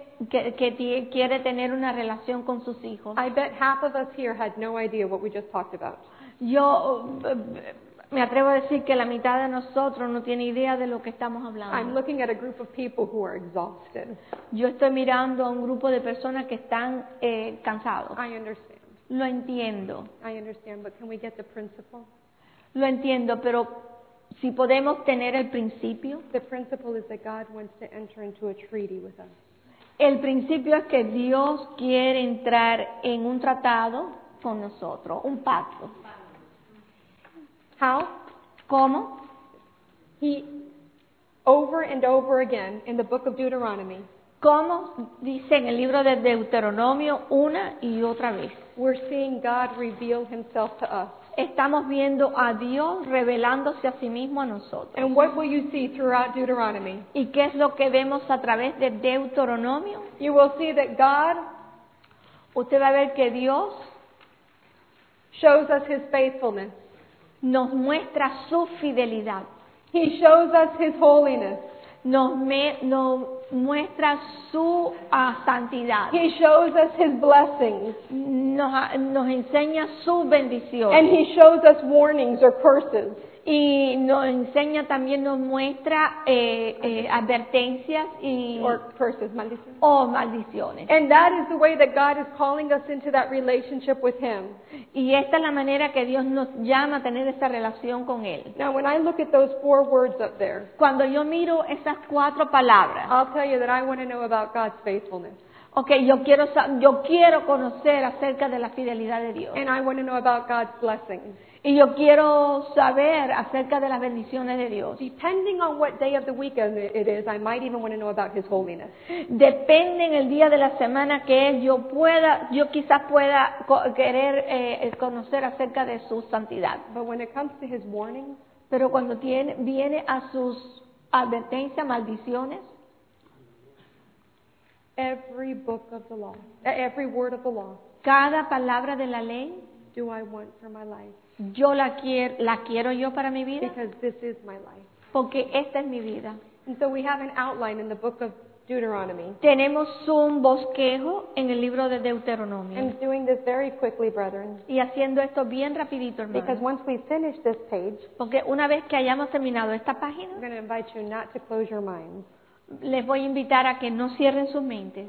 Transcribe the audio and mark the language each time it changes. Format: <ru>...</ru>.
<es>Que quiere tener una relación con sus hijos.</es> <en>I bet half of us here had no idea what we just talked about.</en> <es>Yo me atrevo a decir que la mitad de nosotros no tiene idea de lo que estamos hablando.</es> <en>I'm looking at a group of people who are exhausted.</en> <es>Yo estoy mirando a un grupo de personas que están cansados.</es> <en>I understand.</en> <es>Lo entiendo.</es> <en>I understand, but can we get the principle?</en> <es>Lo entiendo, pero si podemos tener el principio.</es> <en>The principle is that God wants to enter into a treaty with us.</en> <es>El principio es que Dios quiere entrar en un tratado con nosotros, un pacto.</es> <en>How?</en> <es>¿Cómo?</es> <en>He, over and over again, in the book of Deuteronomy.</en> <es>¿Cómo? Dice en el libro de Deuteronomio una y otra vez.</es> <en>We're seeing God reveal himself to us.</en> <es>Estamos viendo a Dios revelándose a sí mismo a nosotros.</es> <en>And what will you see throughout Deuteronomy?</en> <es>¿Y qué es lo que vemos a través de Deuteronomio?</es> <en>You will see that God,</en> <es>usted va a ver que Dios</es> <en>shows us his faithfulness.</en> <es>Nos muestra su fidelidad.</es> <en>He shows us his holiness.</en> <es>Nos muestra su santidad.</es> <en>He shows us his blessings.</en> <es>Nos enseña su bendición.</es> <en>And he shows us warnings or curses.</en> <es>Y nos enseña también, nos muestra advertencias y</es> <en>or curses, maldiciones.</en> <es>Maldiciones.</es> <en>And that is the way that God is calling us into that relationship with him.</en> <es>Y esta es la manera que Dios nos llama a tener esa relación con él.</es> <en>Now when I look at those four words up there,</en> <es>cuando yo miro esas cuatro palabras,</es> <en>I'll tell you that I want to know about God's faithfulness.</en> <es>Okay, yo quiero conocer acerca de la fidelidad de Dios.</es> <en>And I want to know about God's blessings.</en> <es>Y yo quiero saber acerca de las bendiciones de Dios.</es> <en>Depending on what day of the week it is, I might even want to know about his holiness.</en> <es>Depende en el día de la semana que es, yo quizás pueda querer conocer acerca de su santidad.</es> <en>But when it comes to his warning,</en> <es>pero cuando viene a sus advertencias, maldiciones,</es> <en>every book of the law, every word of the law,</en> <es>cada palabra de la ley,</es> <en>do I want for my life?</en> <es>Yo la quiero yo para mi vida.</es> <en>Because this is my life.</en> <es>Porque esta es mi vida.</es> <en>And so we have an outline in the book of Deuteronomy.</en> <es>Tenemos un bosquejo en el libro de Deuteronomio.</es> <en>I'm doing this very quickly, brethren.</en> <es>Y haciendo esto bien rapidito, hermanos.</es> <en>Because once we finish this page,</en> <es>porque una vez que hayamos terminado esta página,</es> <en>I'm going to invite you not to close your minds.</en> <es>Les voy a invitar a que no cierren sus mentes</es>